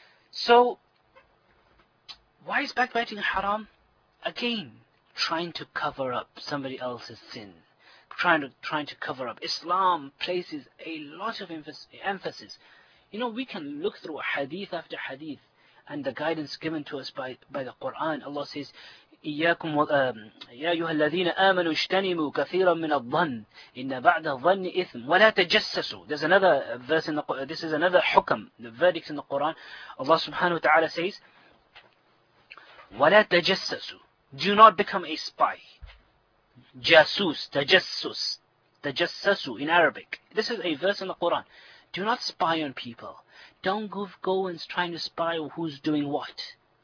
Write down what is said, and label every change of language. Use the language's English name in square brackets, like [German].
[English] So, why is backbiting haram? Again, trying to cover up somebody else's sin. Trying to cover up. Islam places a lot of emphasis. You know, we can look through hadith after hadith and the guidance given to us by the Quran. Allah says, [Arabic] إِيَّاكُمْ يَا أَيُّهَا الَّذِينَ آمَنُوا اجْتَنِمُوا كَثِيرًا مِنَ الظَّنِّ إِنَّ بَعْدَ الظَّنِّ إِثْمٌ وَلَا تَجَسَّسُوا. [English] There's another verse in the, this is another hukam, the verdict in the Quran. Allah subhanahu wa ta'ala says, [Arabic] وَلَا تَجَسَّسُوا. [English] Do not become a spy. Jasus, tajassus, tajassasu in Arabic. This is a verse in the Quran. Do not spy on people. Don't go and try to spy who's doing what.